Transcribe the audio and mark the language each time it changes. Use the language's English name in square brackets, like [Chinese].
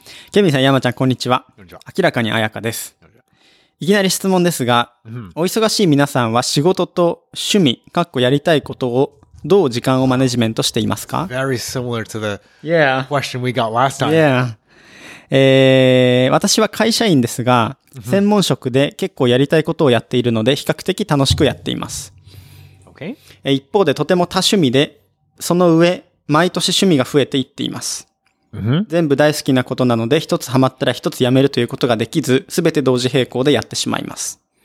[Japanese] ケミさん、山ちゃん、こんにちは。こんにちは。明らかに彩香です。いきなり質問ですが、お忙しい皆さんは仕事と趣味、かっこやりたいことをどう時間をマネジメントしていますか？ [English] Very similar to the question we got last time. Yeah. [Japanese] 私は会社員ですが、専門職で結構やりたいことをやっているので、比較的楽しくやっています。 [English] Okay. [Japanese] 一方でとても多趣味で、その上、毎年趣味が増えていっています。全部大好きなことなので、一つハマったら一つやめるということができず、すべて同時並行でやってしまいます。